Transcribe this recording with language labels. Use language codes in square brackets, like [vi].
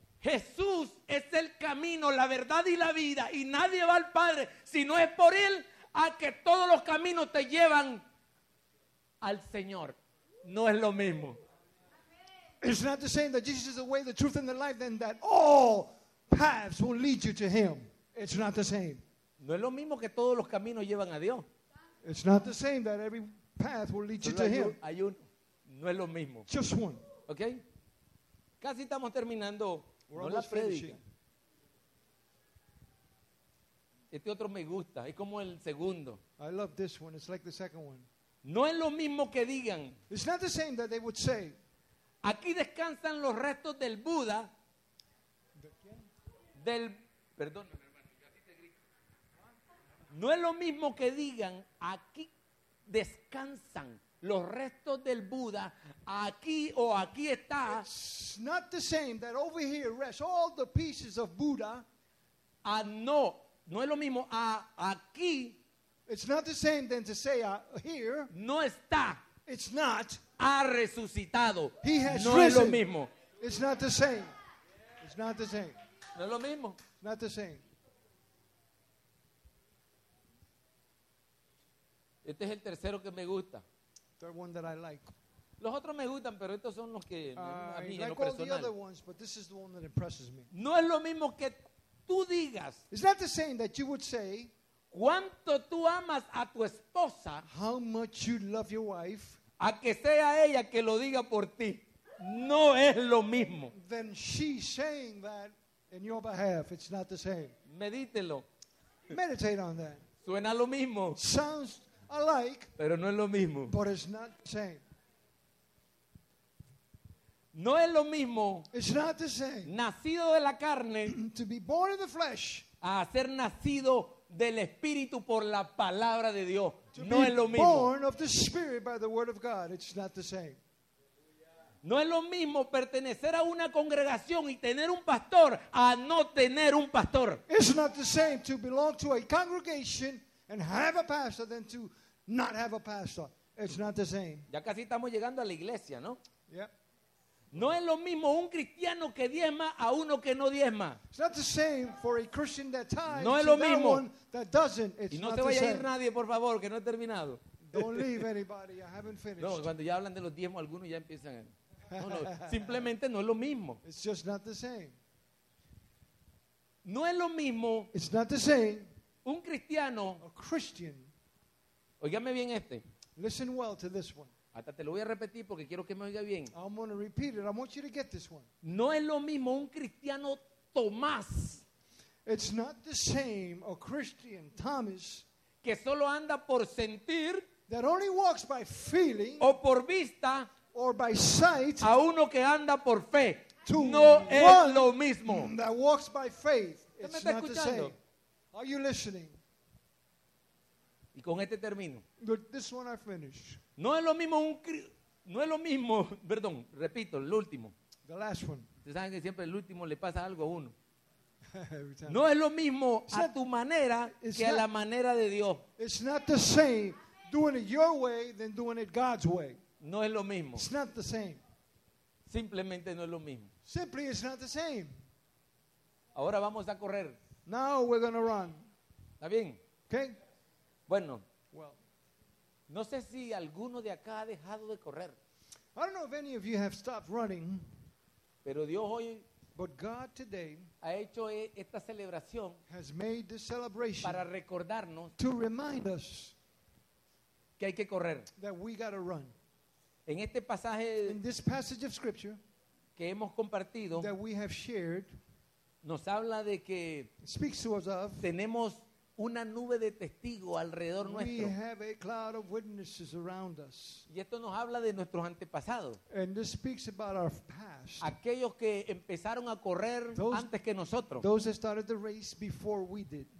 [es] Jesús es el camino, la verdad y la vida, y nadie va al Padre si no es por él, a que todos los caminos te llevan al Señor. No es lo mismo. [en] It's not the same that Jesus is the way, the truth, and the life, than that all paths will lead you to him. It's not the same. [es] No es lo mismo que todos los caminos llevan a Dios. [en] It's not the same that every path will lead you to him. [es] Hay un, no es lo mismo. [en] Just one. [es] Okay. Casi estamos terminando. No la predica. Este otro me gusta. Es como el segundo. [en] I love this one. It's like the second one. [es] No es lo mismo que digan. [en] It's not the same that they would say. [es] Aquí descansan los restos del Buda. ¿De quién? Del, perdón. No es lo mismo que digan. Aquí descansan los restos del Buda, aquí o aquí está. [en] It's not the same that over here rest all the pieces of Buddha. [es] Ah, no, no es lo mismo a aquí. [en] It's not the same than to say here. [es] No está. [en] It's not. [es] Ha resucitado. [en] He has [es] no [en] risen. [es] Es lo mismo. [en] It's not the same. It's not the same. [es] No es lo mismo. [en] Not the same. [es] Este es el tercero que me gusta. [en] The one that I like. [es] Los otros me gustan, pero estos son los que a mí [en] like [es] en lo personal. [en] All the other ones, but this is the one that impresses me. [es] No es lo mismo que tú digas. [en] It's not the same that you would say. [es] ¿Cuánto tú amas a tu esposa? [en] How much you love your wife. [es] A que sea ella que lo diga por ti. No es lo mismo. [en] Then she's saying that in your behalf. It's not the same. [es] Medítelo. [en] Meditate on that. [es] Suena lo mismo. [en] Sounds alike, [es] pero no es lo mismo. [en] But it's not the same. [es] No es lo mismo. [en] It's not the same. [es] Nacido de la carne. [en] To be born in the flesh. [es] A ser nacido del Espíritu por la palabra de Dios. [en] To [es] no [en] be [es] es lo mismo. [en] Born of the Spirit by the Word of God. It's not the same. [es] No es lo mismo pertenecer a una congregación y tener un pastor a no tener un pastor. [en] It's not the same to belong to a congregation and have a pastor than to not have a pastor. It's not the same. [es] Ya casi estamos llegando a la iglesia, ¿no? [en] Yeah. [es] No es lo mismo un cristiano que diezma a uno que no diezma. [en] It's not the same for a Christian that tithes. [es] No es lo mismo. [en] One that doesn't. It's [es] y no te vaya a ir nadie, por favor, que no he terminado. [en] Don't leave anybody. I haven't finished. [es] No, cuando ya hablan de los diezmos, algunos ya empiezan. No, simplemente no es lo mismo. [en] It's just not the same. [es] No es lo mismo. [en] It's not the same. [es] Un cristiano. [en] A Christian. [es] Óigame bien este. [en] Listen well to this one. [es] Hasta te lo voy a repetir porque quiero que me oiga bien. [en] I'm going to repeat it. I want you to get this one. [es] No es lo mismo un cristiano Tomás. [en] It's not the same a Christian Thomas. [es] Que solo anda por sentir. [en] That only walks by feeling. [es] O por vista. [en] Or by sight. [es] A uno que anda por fe. [en] To [es] no [en] one [es] es lo mismo. [en] That walks by faith. It's not [es] escuchando? [en] The same. Are you listening? [es] Y con este termino. [en] But this one I finish. [es] No es lo mismo un no es lo mismo, perdón, repito, el último. [en] The last one. [es] Ustedes saben que siempre el último le pasa algo a uno. No es lo mismo [en] it's a not, [es] tu manera que [en] not, [es] a la manera de Dios. [en] It's not the same doing it your way than doing it God's way. [es] No es lo mismo. [en] It's not the same. [es] Simplemente no es lo mismo. [en] Simply it's not the same. [es] Ahora vamos a correr. [en] Now we're going to run. [es] ¿Está bien? [en] Okay. [es] Bueno. [en] Well. [es] No sé si alguno de acá ha dejado de correr. [en] I don't know if any of you have stopped running. [es] Pero Dios hoy, [en] but God today [es] ha hecho esta celebración, [en] has made this celebration [es] para recordarnos, [en] to remind us [es] que hay que correr, [en] that we got to run. [es] En este pasaje, [en] in this passage of scripture, [es] que hemos compartido, [en] that we have shared, [es] nos habla de que [en] speaks to us of, [es] tenemos una nube de testigos alrededor nuestro. [en] We have a cloud of witnesses around us. [es] Y esto nos habla de nuestros antepasados. [en] And this speaks about our past. [es] Aquellos que empezaron a correr antes que nosotros. [en] Those that started the race before we did.